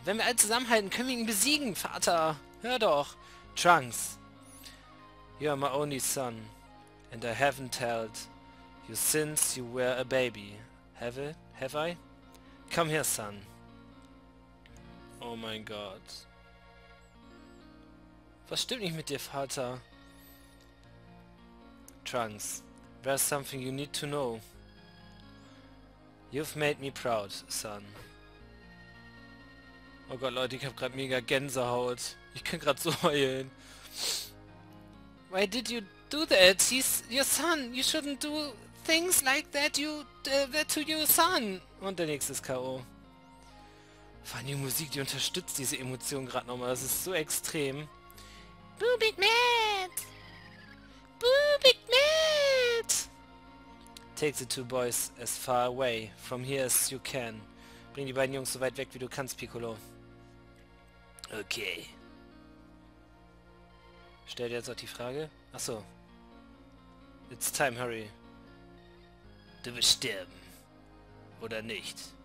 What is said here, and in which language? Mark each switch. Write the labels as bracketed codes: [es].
[de] Wenn wir alle zusammenhalten, können wir ihn besiegen, Vater. Hör doch. [en] Trunks, you are my only son and I haven't told you since you were a baby. Have I? Come here, son. [de] Oh mein Gott. Was stimmt nicht mit dir, Vater? [en] Trunks, there's something you need to know. You've made me proud, son. [de] Oh Gott, Leute, ich hab grad mega Gänsehaut. Ich kann grad so heulen. [en] Why did you do that? He's your son. You shouldn't do things like that to your son. [de] Und der nächste ist K.O. Vor allem die Musik, die unterstützt diese Emotion grad nochmal. Das ist so extrem. [en] Boo Big Mad! Boo Big Mad! Take the two boys as far away from here as you can. [de] Bring die beiden Jungs so weit weg, wie du kannst, Piccolo. Okay. Stell dir jetzt auch die Frage. Achso. [en] It's time, hurry. [de] Du wirst sterben. Oder nicht.